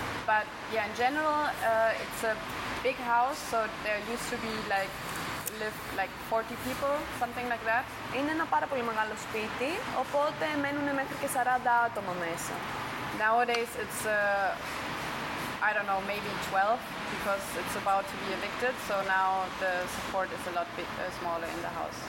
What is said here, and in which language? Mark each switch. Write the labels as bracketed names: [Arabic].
[English] But yeah, in general, it's a big house, so there used to be live 40 people, something like that. [Greek] Είναι ένα πάρα πολύ μεγάλο σπίτι, οπότε μένουν μέχρι και 40 άτομα μέσα. [English] Nowadays it's, I don't know, maybe 12, because it's about to be evicted, so now the support is a lot smaller in the house.